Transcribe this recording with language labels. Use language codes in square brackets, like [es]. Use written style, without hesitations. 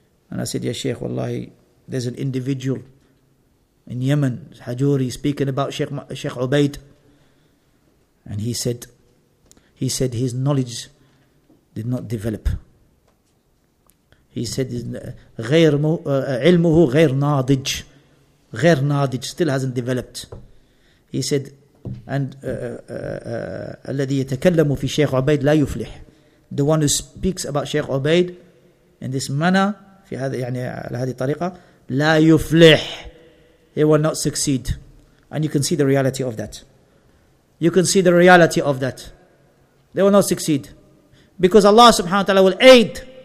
[en] And I said, "Ya Sheikh, wallahi, there's an individual in Yemen, Hajuri, speaking about Sheikh Ubayd." And he said his knowledge did not develop. He said, [ar] "Ilmuhu ghair nadij." Ghair nadij, [en] still hasn't developed. He said, and [ar] الَّذِي يَتَكَلَّمُ فِي شَيْخُ عُبَيْد لَا يُفْلِح. [en] The one who speaks about Sheikh Ubayd in this manner, [ar] في هذا يعني على هذه الطريقة, لا يفلح. [en] He will not succeed. And you can see the reality of that. You can see the reality of that. They will not succeed. Because Allah subhanahu wa ta'ala will aid.